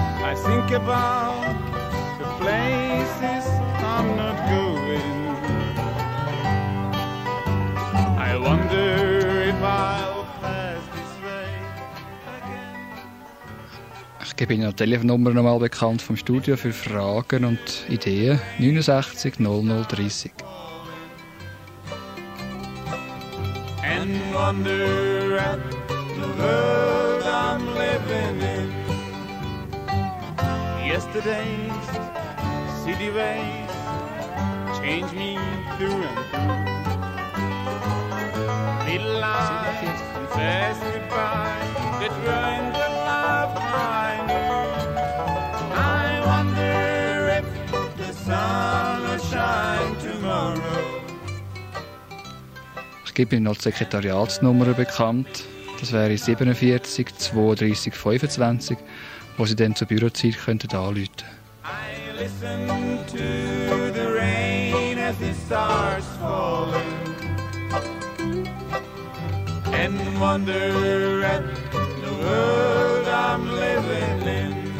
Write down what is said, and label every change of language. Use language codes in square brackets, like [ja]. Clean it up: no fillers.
[en] I think about the places I'm not going. I wonder if I'll pass this way again. [de] Ich gebe Ihnen die Telefonnummer nochmal bekannt vom Studio für Fragen und Ideen. 69 0030. [en] Wonder at the world I'm living in. Yesterday's city ways changed me through and through. Little lies confess goodbye, that ruined the love I knew. I wonder if the sun will shine tomorrow. [de] Ich gebe Ihnen noch die Sekretariatsnummer bekannt. Das wäre 47 32 25, wo Sie dann zur Bürozeit anrufen könnten. [en] I listen to the rain as it starts falling and wonder at the world I'm living in.